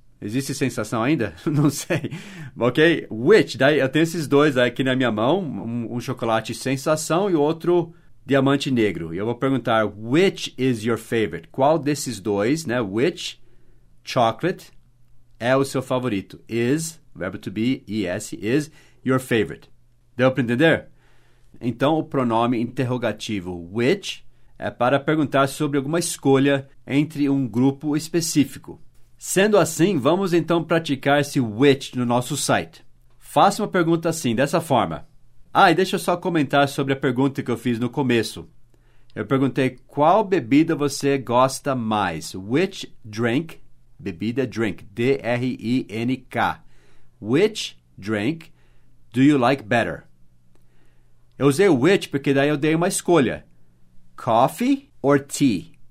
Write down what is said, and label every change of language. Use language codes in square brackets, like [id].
[pt] Existe sensação ainda? Não sei. Ok? [en] Which? [pt] Daí eu tenho esses 2 aqui na minha mão. Um chocolate sensação e outro diamante negro. E eu vou perguntar, [en] which is your favorite? [pt] Qual desses 2, né? [en] Which chocolate [pt] é o seu favorito? [en] Is, [pt] verbo [en] to be, is, is your favorite. [pt] Deu para entender? Então, o pronome interrogativo, which, é para perguntar sobre alguma escolha entre um grupo específico. Sendo assim, vamos então praticar esse which no nosso site. Faça uma pergunta assim, dessa forma. Ah, e deixa eu só comentar sobre a pergunta que eu fiz no começo. Eu perguntei qual bebida você gosta mais. [en] Which drink, [pt] bebida [en] drink, D-R-I-N-K. Which drink do you like better? [pt] Eu usei o which porque daí eu dei uma escolha. [en] Coffee or tea?